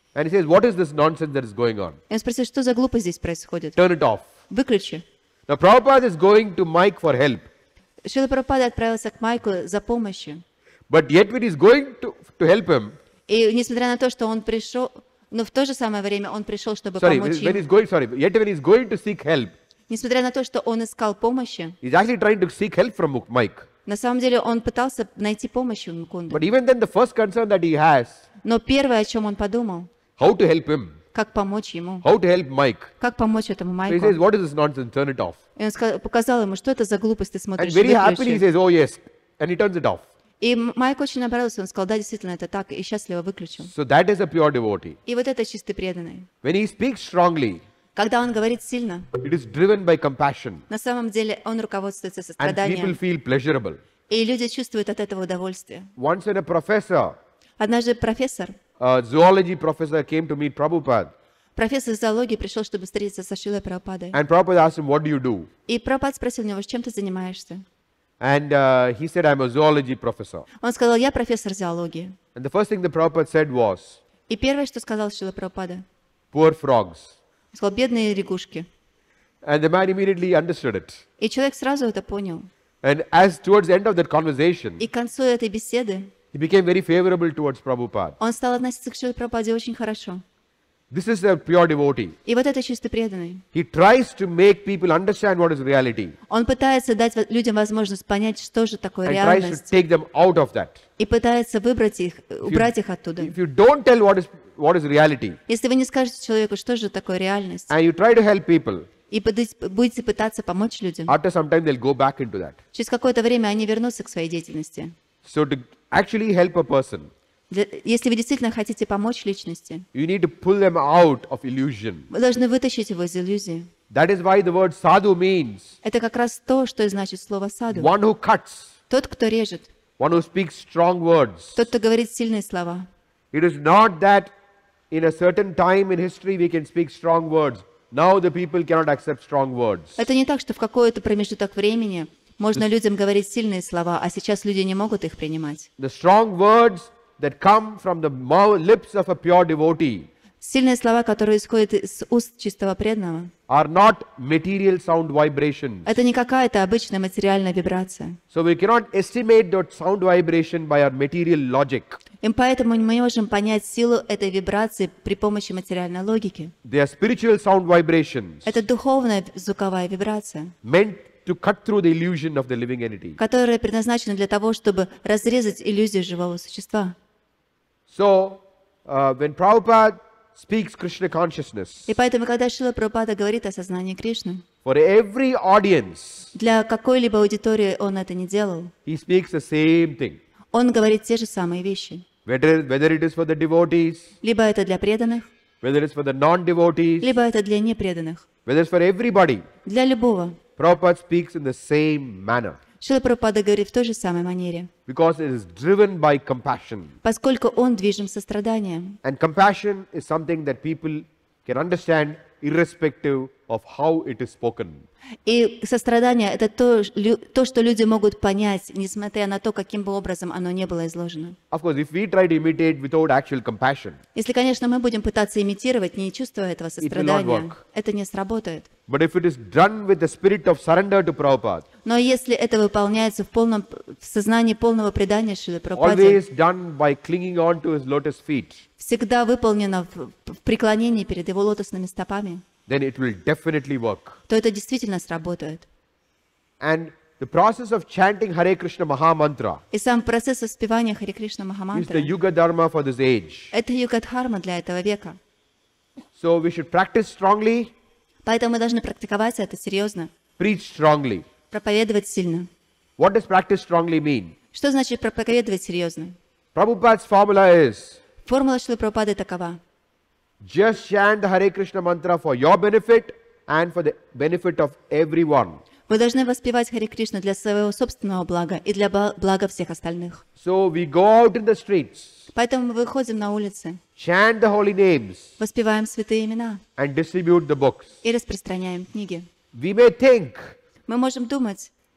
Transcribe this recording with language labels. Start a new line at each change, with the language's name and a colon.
English: And he says, what is this nonsense that is going on?
Russian: И он спросил, что за глупость здесь происходит?
English: Turn it off.
Russian: Выключи.
English: Now Prabhupada is going to Mike for help.
Russian: Шрила Прабхупада отправился к Майку за помощью.
English: But yet when he's going to help him.
Russian: И несмотря на то, что он пришел, но в то же самое время он пришел, чтобы помочь.
English: Yet when he's going to seek help.
Russian: Несмотря на то, что он искал помощи.
English: He's actually trying to seek help from Mike.
Russian: На самом деле он пытался найти помощь у Мукунды.
English: But even then the first concern that he has.
Russian: Но первое, о чем он подумал.
English: How to help him.
Russian: Как помочь ему?
English: How to help Mike?
Russian: Как помочь этому Майку?
English: So he says, "What is this nonsense? Turn it off."
Russian: И он показал ему, что это за глупость, ты смотришь.
English: And very happily he says, "Oh yes," and he turns it off.
Russian: И Майк очень обрадовался, он сказал, да, действительно, это так, и счастливо выключил.
English: So that is a pure devotee.
Russian: И вот это чистый преданный.
English: When he speaks strongly.
Russian: Когда он говорит сильно.
English: It is driven by compassion.
Russian: На самом деле он руководствуется состраданием.
English: And people feel pleasurable.
Russian: И люди чувствуют от этого удовольствие.
English: Once in a professor.
Russian: Однажды профессор.
English: A zoology professor came to meet Prabhupada.
Russian: Профессор зоологии пришел, чтобы встретиться со Шрилой Прабхупадой.
English: And Prabhupada asked him, "What do you do?"
Russian: И Прабхупада спросил него, чем ты занимаешься?
English: And he said, "I'm a zoology professor."
Russian: Он сказал, я профессор зоологии.
English: And the first thing the Prabhupada said was.
Russian: И первое, что сказал Шрила Прабхупада.
English: Poor frogs.
Russian: Он сказал, бедные лягушки.
English: And the man immediately understood it.
Russian: И человек сразу это понял.
English: And as towards the end of that conversation.
Russian: И к концу этой беседы.
English: He became very favorable towards Prabhupada.
Russian: Он стал относиться к Шриле Прабхупаде очень хорошо.
English: This is a pure devotee.
Russian: И вот это чистый преданный.
English: He tries to make people understand what is reality.
Russian: Он пытается дать людям возможность понять, что же такое
English: and
Russian: реальность.
English: And tries to take them out of that.
Russian: И пытается выбрать их, убрать их оттуда.
English: If you don't tell what is reality.
Russian: Если вы не скажете человеку, что же такое реальность.
English: And you try to help people.
Russian: И будете пытаться помочь людям.
English: After some time they'll go back into that.
Russian: Через какое-то время они вернутся к своей деятельности.
English: So to actually help a person.
Russian: Если вы действительно хотите помочь личности,
English: you need to pull them out of illusion.
Russian: Вы должны вытащить его из иллюзии.
English: That is why the word sadhu means.
Russian: Это как раз то, что и значит слово саду.
English: One who cuts.
Russian: Тот, кто режет.
English: One who speaks strong words.
Russian: Тот, кто говорит сильные слова.
English: It is not that in a certain time in history we can speak strong words. Now the people cannot accept strong words.
Russian: Это не так, что в какой-то промежуток времени можно людям говорить сильные слова, а сейчас люди не могут их принимать.
English: The strong words that come from the lips of a pure devotee.
Russian: Сильные слова, которые исходят из уст чистого преданного.
English: Are not material sound vibrations.
Russian: Это не какая-то обычная материальная вибрация.
English: So we cannot estimate that sound vibration by our material logic.
Russian: И поэтому мы не можем понять силу этой вибрации при помощи материальной логики.
English: They are spiritual sound vibrations.
Russian: Это духовная звуковая вибрация.
English: Meant to cut through the illusion of the living entity.
Russian: Которая предназначена для того, чтобы разрезать иллюзию живого существа.
English: So, when Prabhupada speaks Krishna consciousness.
Russian: И поэтому, когда Шрила Прабхупада говорит о сознании Кришны.
English: For every audience.
Russian: Для какой-либо аудитории он это не делал.
English: He speaks the same thing.
Russian: Он говорит те же самые вещи.
English: Whether it is for the devotees.
Russian: Либо это для преданных.
English: Whether it is for the non-devotees.
Russian: Либо это для непреданных.
English: Whether it is for everybody.
Russian: Для любого.
English: Prabhupada speaks in the same manner.
Russian: Шрила Прабхупада говорит в той же самой манере.
English: Because it is driven by compassion.
Russian: Поскольку он движим состраданием.
English: And compassion is something that people can understand irrespective of how it is spoken.
Russian: И сострадание это то, что люди могут понять, несмотря на то, каким бы образом оно не было изложено.
English: Of course, if we try to imitate without actual compassion.
Russian: Если, конечно, мы будем пытаться имитировать, не чувствуя этого сострадания, это не сработает.
English: But if it is done with the spirit of surrender to Prabhupada.
Russian: Но если это выполняется в сознании полного предания Шриле Прабхупаде.
English: Always done by clinging on to his lotus feet.
Russian: Всегда выполнено в преклонении перед его лотосными стопами.
English: Then it will definitely work.
Russian: То это действительно сработает.
English: And the process of chanting Hare Krishna Maha Mantra.
Russian: И сам процесс воспевания Hare Krishna Maha Mantra.
English: Is the Yuga Dharma for this age.
Russian: Это Юга Дхарма для этого века.
English: So we should practice strongly.
Russian: Поэтому мы должны практиковать это серьезно.
English: Preach strongly.
Russian: Проповедовать сильно.
English: What does practice strongly mean?
Russian: Что значит проповедовать серьезно?
English: Prabhupada's formula is.
Russian: Формула Шрилы Прабхупады такова.
English: Just chant the Hare Krishna mantra for your benefit and for the benefit of everyone.
Russian: Вы должны воспевать Хари Кришну для своего собственного блага и для блага всех остальных.
English: So we go out in the streets.
Russian: Поэтому мы выходим на улицы.
English: Chant the holy names.
Russian: Воспеваем святые имена.
English: And distribute the books.
Russian: И распространяем книги.
English: We may think.
Russian: Мы можем думать.